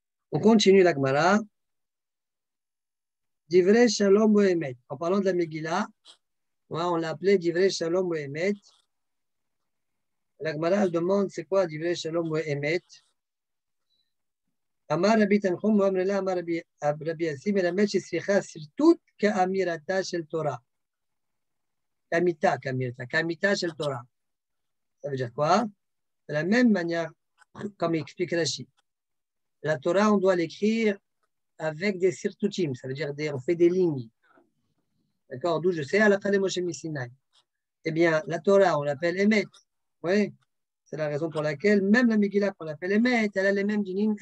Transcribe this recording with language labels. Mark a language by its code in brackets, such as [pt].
[fr] On continue la Gemara. Divrei Shalom Bohemet. En parlant de la Megillah, on l'appelait Divrei Shalom Bohemet. La Gemara demande c'est quoi Divrei Shalom Bohemet. [he] אמר רבי תנחום, הוא אמר לה, אמר רבי יסי, מלמד שצריכה שרטוט כאמירתה של תורה. כאמיתה, כאמירתה, כאמיתה של תורה. [fr] De la même manière, comme explique Rashi, la Torah, on doit l'écrire avec des sirtutim, ça veut dire on fait des lignes. D'accord? D'où je sais, à la fin de Moshe Missinaï. Eh bien, la Torah, on l'appelle Emet. Oui, c'est la raison pour laquelle même la Megillah qu'on l'appelle Emet, elle a les mêmes lignes.